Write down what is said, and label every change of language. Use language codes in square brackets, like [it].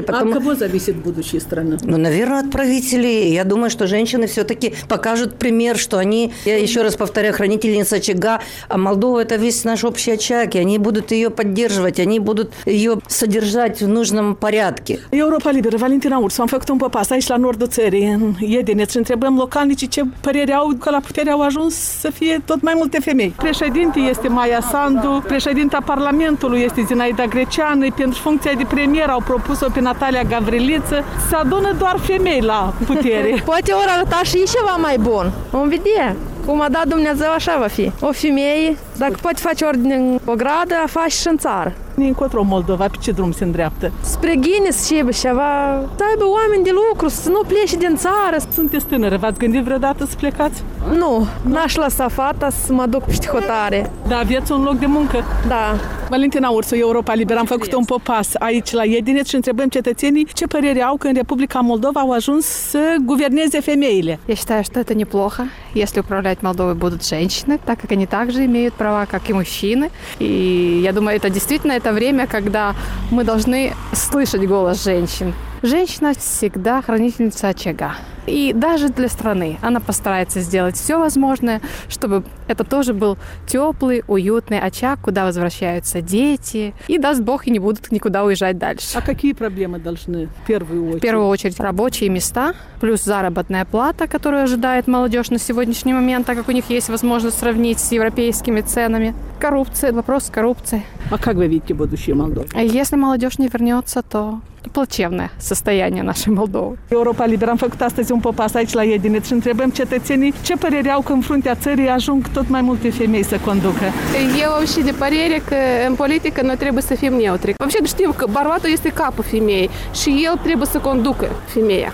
[ru] Потому... А от кого зависит будущее страны? Ну, наверное, от правителей. Я думаю, что женщины все-таки покажут пример, что они, я еще раз повторяю, хранительница очага, а Молдова – это весь наш общий очаг, и они будут ее поддерживать. Они будут ее содержать в нужном порядке. [ro] Europa Liberă, Valentina Urs, am făcut un popas aici la nordul țării, în Iedineț, și întrebăm localnicii ce părere au că la putere au ajuns să fie tot mai multe femei. Președinte este Maia Sandu, președinta Parlamentului este Zinaida Greceanu, pentru funcția de premier au propus-o pe Natalia Gavriliță. Se adună doar femei la putere. Poate ori arăta și ceva mai bun. Vom vedea. Cum a dat Dumnezeu, așa va fi. O femeie, dacă poate face ordine în ogradă, a face și în țară. Încotro Moldova, pe ce drum se îndreaptă? Spre Guinness, ceva, ceva. Să aibă oameni de lucru, să nu plece din țară. Sunteți tânără, v-ați gândit vreodată să plecați? Nu, n-aș lăsa fata să mă duc pește hotare. Da, aveți un loc de muncă? Da. Valentina Ursu, Europa Liberă, am făcut un popas aici la Iedineț și întrebăm cetățenii ce părere au că în Republica Moldova au ajuns să guverneze femeile. [ru] Я считаю, что это неплохо, если управлять Молдовой будут женщины, так как они также имеют права, как и мужчины. И я думаю, это действительно это время, когда мы должны слышать голос женщин. Женщина всегда хранительница очага. И даже для страны она постарается сделать все возможное, чтобы это тоже был теплый, уютный очаг, куда возвращаются дети. И даст Бог, и не будут никуда уезжать дальше. А какие проблемы должны в первую очередь? В первую очередь рабочие места, плюс заработная плата, которую ожидает молодежь на сегодняшний момент, так как у них есть возможность сравнить с европейскими ценами. Коррупция, вопрос коррупции. А как вы видите будущее Молдовы? Если молодежь не вернется, то... Плачевное состояние нашей Молдовы. [ro] Европа Либер, am făcut astăzi un popas aici la Iedineț și întrebăm cetățenii ce părere au că în fruntea țării ajung tot mai multe femei să conducă. Eu am și de părere că în politică noi trebuie să fim neutri. Vă știu că bărbatul este capul femeii și el trebuie să conducă femeia.